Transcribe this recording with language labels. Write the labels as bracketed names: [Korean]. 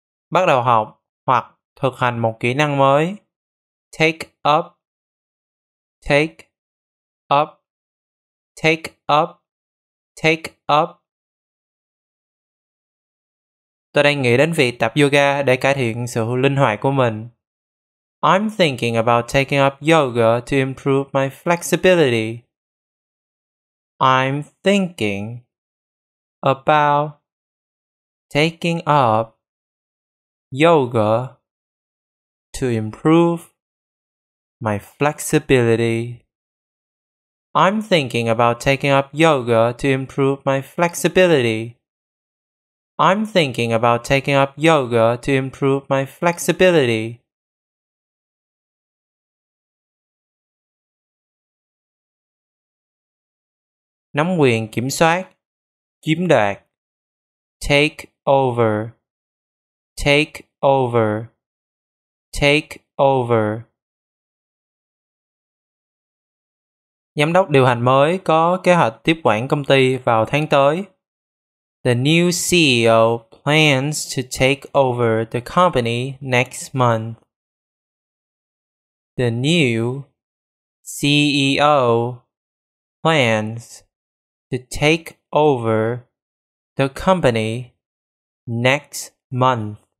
[Vietnamese] Bắt đầu học hoặc thực hành một kỹ năng mới. [English] Take up. Take up. Take up. Take up. [Vietnamese] Tôi đang nghĩ đến việc tập yoga để cải thiện sự linh hoạt của mình. [English] I'm thinking about taking up yoga to improve my flexibility. I'm thinking about taking up yoga to improve my flexibility. I'm thinking about taking up yoga to improve my flexibility. I'm thinking about taking up yoga to improve my flexibility. [Vietnamese] Nắm quyền kiểm soát, chiếm đoạt. [English] Take over. Take over. Take over. [Vietnamese] Giám đốc điều hành mới có kế hoạch tiếp quản công ty vào tháng tới. [English] The new CEO plans to take over the company next month. The new CEO plans to take over the company next month.